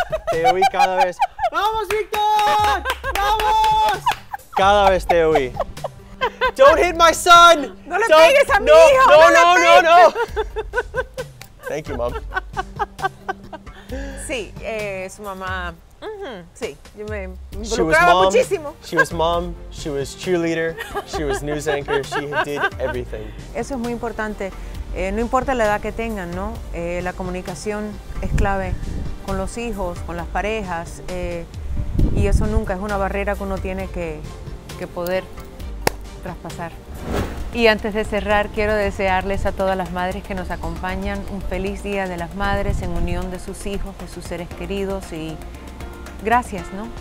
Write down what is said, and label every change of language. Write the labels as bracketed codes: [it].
[es] Te oí cada vez. ¡Vamos, Víctor! ¡Vamos! Cada vez te oí. [en] ¡Don't hit my son! [es] ¡No le pegues a mi hijo! [en] ¡No! Thank you, mom. [es] Sí, su mamá. Sí, yo me involucraba muchísimo. [en] She was mom, she was cheerleader, she was news anchor, she did everything. [es] Eso es muy importante. No importa la edad que tengan, ¿no? La comunicación es clave con los hijos, con las parejas, y eso nunca es una barrera que uno tiene que poder traspasar. Y antes de cerrar, quiero desearles a todas las madres que nos acompañan un feliz Día de las Madres en unión de sus hijos, de sus seres queridos, y gracias, ¿no?